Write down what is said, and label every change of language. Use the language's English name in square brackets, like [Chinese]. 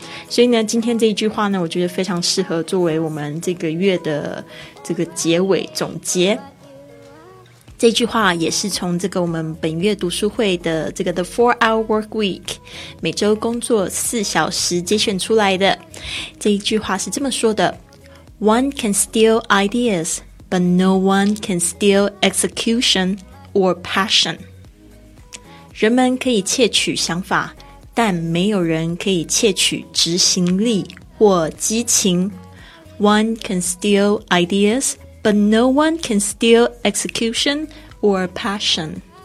[Chinese] 所以呢，今天这一句话呢，我觉得非常适合作为我们这个月的这个结尾总结。这句话也是从这个我们本月读书会的这个 The 4-Hour Work Week 每周工作4小时节选出来的。这一句话是这么说的： [English] One can steal ideas, but no one can steal execution or passion. [Chinese] 人们可以窃取想法，但没有人可以窃取执行力或激情。 [English] One can steal ideas,But no one can steal execution or passion.